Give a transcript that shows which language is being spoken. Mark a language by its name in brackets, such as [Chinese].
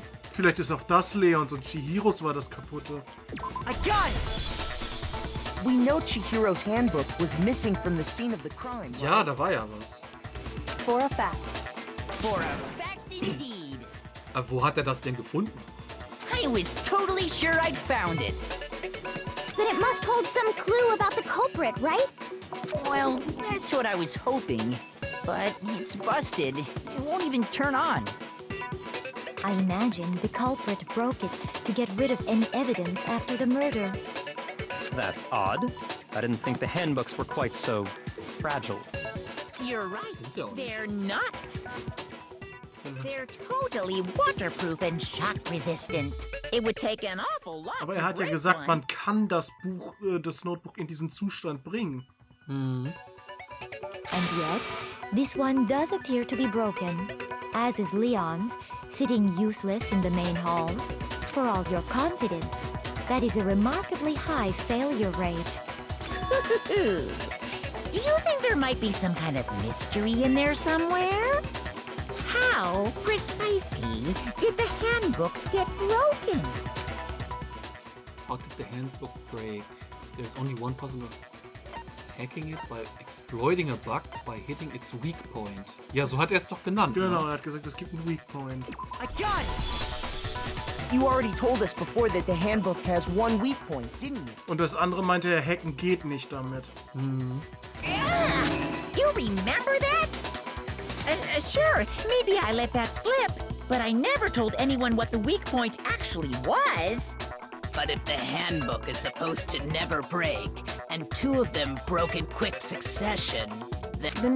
[German] Vielleicht ist auch das Leons und Chihiros war das kaputte. [English] I got it! We know Chihiro's handbook was missing from the scene of the crime. [German] Ja, da war ja was. [English] For a fact. For a fact indeed. [German] Wo hat das denn gefunden? [English] I was totally sure I'd found it. But it must hold some clue about the culprit, right? Well, that's what I was hoping. But it's busted. It won't even turn on. I imagine the culprit broke it to get rid of any evidence after the murder. That's odd. I didn't think the handbooks were quite so fragile. You're right. They're not. They're totally waterproof and shock resistant. It would take an awful lot to break. [German] Aber er hat ja gesagt, man kann das Buch, das Notebook in diesen Zustand bringen. [English] And yet, this one does appear to be broken, as is Leon's, sitting useless in the main hall. For all your confidence, that is a remarkably high failure rate. Do you think there might be some kind of mystery in there somewhere? How precisely did the handbooks get broken? How did the handbook break? There's only one possible: hacking it by exploiting a bug by hitting its weak point. [German] Ja, so hat er es doch genannt. Genau, er hat gesagt, es gibt einen [English] weak point. A gun! You already told us before that the handbook has one weak point, didn't you? [German] Und das andere meinte er, hacken geht nicht damit. [English] You remember that? Sure, maybe I let that slip, but I never told anyone what the weak point actually was. But if the handbook is supposed to never break, and two of them broke in quick succession, then